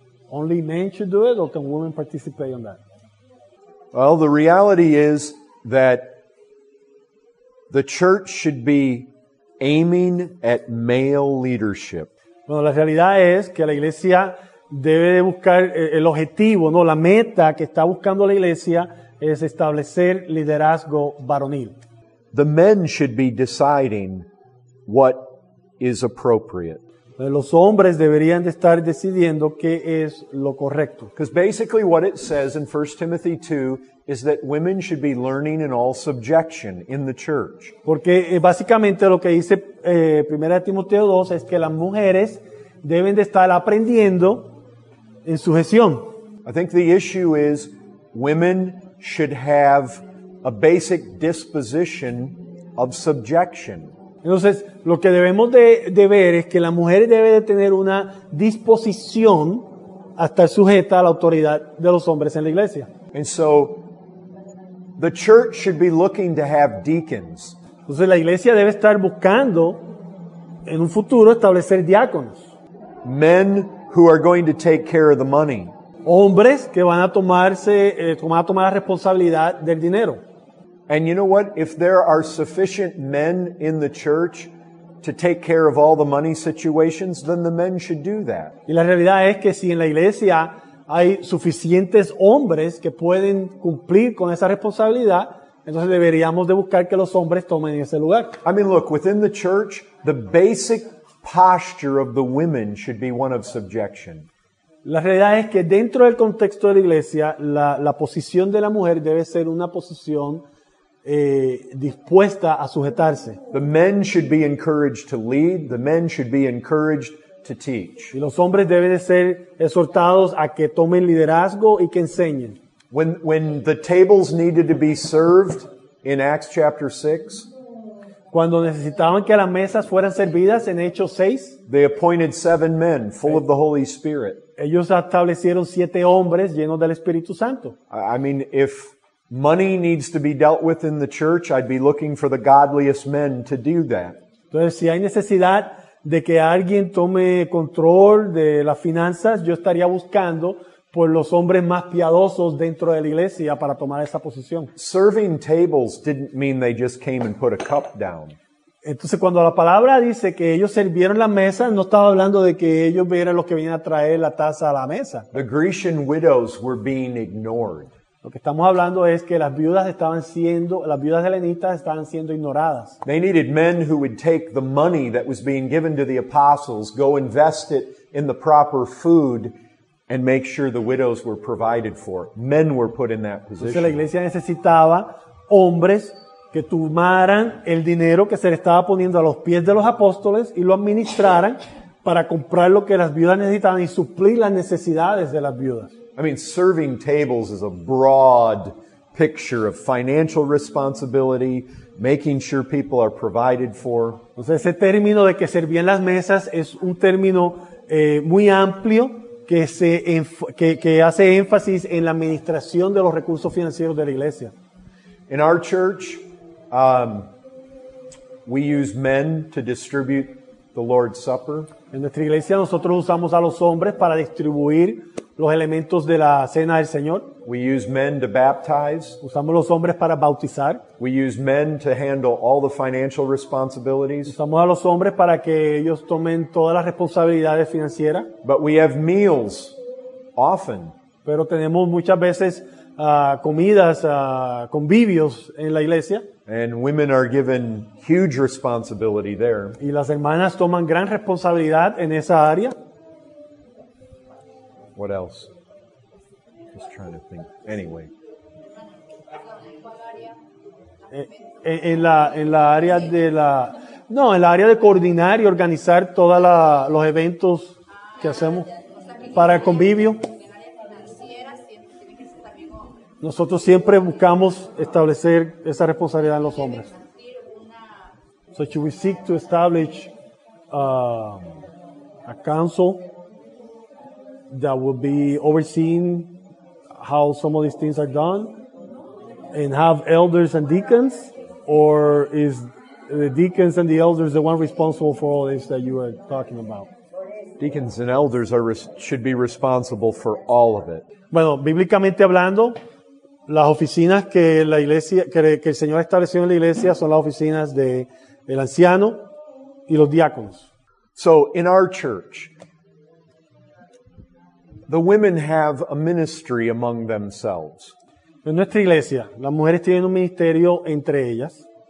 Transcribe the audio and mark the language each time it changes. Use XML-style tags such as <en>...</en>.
<en>Only men should do it, or can women participate on that? Well, the reality is that the church should be aiming at male leadership.</en> <es>Bueno, la realidad es que la iglesia debe de buscar el objetivo, ¿no? La meta que está buscando la iglesia es establecer liderazgo varonil.</es> <en>The men should be deciding what is appropriate.</en> <es>Los hombres deberían de estar decidiendo qué es lo correcto.</es> <en>Because basically what it says in 1 Timothy 2 is that women should be learning in all subjection in the church.</en> <es>Porque básicamente lo que dice 1 Timoteo 2 es que las mujeres deben de estar aprendiendo en sujeción.</es> <en>I think the issue is women should have a basic disposition of subjection.</en> <es>Entonces, lo que debemos de ver es que la mujer debe de tener una disposición a estar sujeta a la autoridad de los hombres en la iglesia.</es> <en>And so, the church should be looking to have deacons.</en> <es>Entonces, la iglesia debe estar buscando en un futuro establecer diáconos.</es> <en>Men who are going to take care of the money.</en> <es>Hombres que van a tomar la responsabilidad del dinero.</es> <en>And you know what? If there are sufficient men in the church to take care of all the money situations, then the men should do that.</en> <es>Y la realidad es que si en la iglesia hay suficientes hombres que pueden cumplir con esa responsabilidad, entonces deberíamos de buscar que los hombres tomen ese lugar.</es> <en>I mean, look, within the church, the basic posture of the women should be one of subjection.</en> <es>La realidad es que dentro del contexto de la iglesia, la posición de la mujer debe ser una posición dispuesta a sujetarse.</es> <en>The men should be encouraged to lead. The men should be encouraged to teach.</en> <es>Y los hombres deben de ser exhortados a que tomen liderazgo y que enseñen.</es> <en>When the tables needed to be served in Acts chapter 6,</en> <es>cuando necesitaban que las mesas fueran servidas en Hechos 6,</es> <en>they appointed 7 men full of the Holy Spirit.</en> <es>Ellos establecieron 7 hombres llenos del Espíritu Santo.</es> <en>I mean, if money needs to be dealt with in the church, I'd be looking for the godliest men to do that.</en> <es>Entonces, si hay necesidad de que alguien tome control de las finanzas, yo estaría buscando por los hombres más piadosos dentro de la iglesia para tomar esa posición.</es> <en>Serving tables didn't mean they just came and put a cup down.</en> <es>Entonces, cuando la palabra dice que ellos sirvieron la mesa, no estaba hablando de que ellos eran los que venían a traer la taza a la mesa.</es> <en>The Grecian widows were being ignored.</en> <es>Lo que estamos hablando es que las viudas helenitas estaban siendo ignoradas.</es> <en>They needed men who would take the money that was being given to the apostles, go invest it in the proper food, and make sure the widows were provided for. Men were put in that position.</en> <es>Entonces la iglesia necesitaba hombres que tomaran el dinero que se le estaba poniendo a los pies de los apóstoles y lo administraran para comprar lo que las viudas necesitaban y suplir las necesidades de las viudas.</es> <en>I mean, serving tables is a broad picture of financial responsibility, making sure people are provided for.</en> <es>Entonces, ese término de que servían las mesas es un término muy amplio que hace énfasis en la administración de los recursos financieros de la iglesia.</es> <en>In our church, we use men to distribute the Lord's Supper.</en> <es>En nuestra iglesia, nosotros usamos a los hombres para distribuir los elementos de la cena del Señor.</es> <en>We use men to baptize.</en> <es>Usamos los hombres para bautizar.</es> <en>We use men to handle all the financial responsibilities.</en> <es>Usamos a los hombres para que ellos tomen todas las responsabilidades financieras.</es> <en>But we have meals often.</en> <es>Pero tenemos muchas veces comidas, convivios en la iglesia.</es> <en>And women are given huge responsibility there.</en> <es>Y las hermanas toman gran responsabilidad en esa área.</es> <en>What else? Just trying to think. Anyway.</en> <es>En la área de la... No, en la área de coordinar y organizar todos los eventos que hacemos para el convivio. Nosotros siempre buscamos establecer esa responsabilidad en los hombres.</es> <en>So should we seek to establish a council that will be overseeing how some of these things are done and have elders and deacons, or is the deacons and the elders the one responsible for all this that you are talking about? Deacons and elders should be responsible for all of it.</en> <es>Bueno, bíblicamente hablando, las oficinas que la iglesia que el Señor estableció en la iglesia son las oficinas de el anciano y los diáconos.</es> <en>So in our church, the women have a ministry among themselves.</en> <es>En nuestra iglesia, las mujeres tienen un ministerio entre ellas.</es>